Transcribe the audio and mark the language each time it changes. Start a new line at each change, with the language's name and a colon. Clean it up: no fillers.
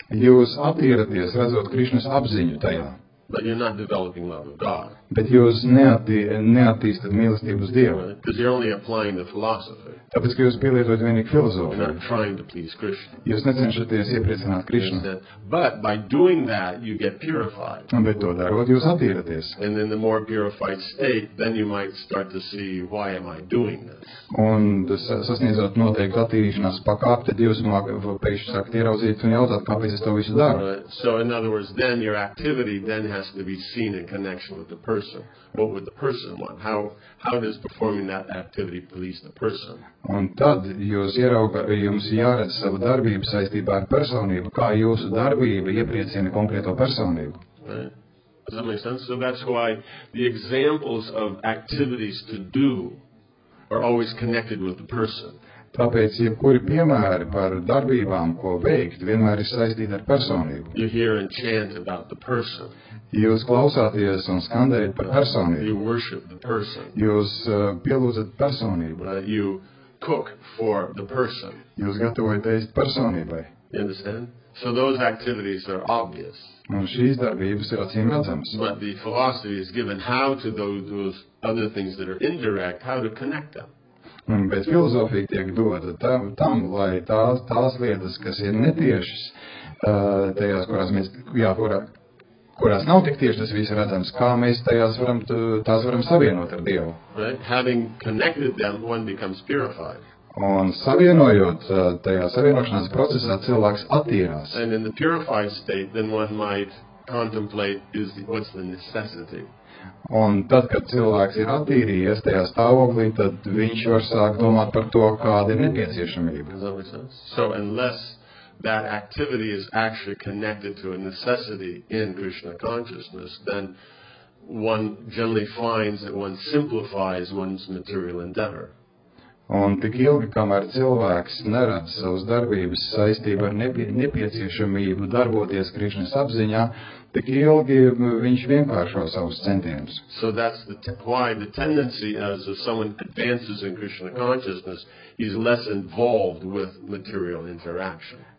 Latvian: Jūs attīraties, redzot Krišnas apziņu tajā.
English: But you're not developing love of God.
Latvian: Bet jūs neattīstat mīlestību uz Dievu.
English: Because you're only applying the philosophy.
Latvian: Tāpēc, ka jūs pielietojat vienīgi filozofiju.
English: You're not trying to please Krishna.
Latvian: Jūs necenšaties iepriecināt Krishna.
English: But by doing that, you get purified.
Latvian: Bet to darot, jūs attīraties.
English: And in the more purified state, then you might start to see, why am I doing this?
Latvian: Un sasniedzot noteikti attīrīšanās pakāpi, tad jūs pēkšņi sākat ieraudzīt un jautāt, kāpēc es to visu daru.
English: So in other words, then your activity then has to be seen in connection with the person. What would the person want? How does performing that activity please the person?
Latvian: Un tad jūs ieraugat, jums jāredz savu darbību saistībā ar personību, kā jūsu darbība iepriecina konkrēto personību.
English: Right. Does that make sense? So that's why the examples of activities to do are always connected with the person.
Latvian: Tāpēc, jebkuri piemēri par darbībām, ko veikt, vienmēr ir saistīti ar personību.
English: You hear and chant about the person.
Latvian: Jūs klausāties un skandējat par personību.
English: You worship the person.
Latvian: Jūs pielūdzat personību.
English: You cook for the person.
Latvian: Jūs gatavojat ēst personībai.
English: You understand? So those activities are obvious.
Latvian: Un šīs darbības ir acīm redzamas.
English: But the philosophy is given how to do those other things that are indirect, how to connect them.
Latvian: Bet filozofija tiek dota tam, lai tās lietas, kas ir netiešas, tajās, kurās nav tik tieši, tas viss redzams, kā mēs tās varam savienot ar Dievu.
English: Right? Having connected them, one becomes purified.
Latvian: Un savienojot tajā savienošanās procesā, cilvēks attīrās.
English: And in the purified state, then one might contemplate what's the necessity.
Latvian: Un tad, kad cilvēks ir attīrījies tajā stāvoklī, tad viņš var sākt domāt par to, kāda ir nepieciešamība.
English: So, unless that activity is actually connected to a necessity in Krishna consciousness, then one generally finds that one simplifies one's material endeavor.
Latvian: Un tik ilgi, kamēr cilvēks neredz savas darbības saistību ar nepieciešamību darboties Krišnas apziņā, tik ilgi viņš vienkāršo savus centienus.
English: So that's why the tendency as if someone advances in Krishna consciousness is less involved with material interaction.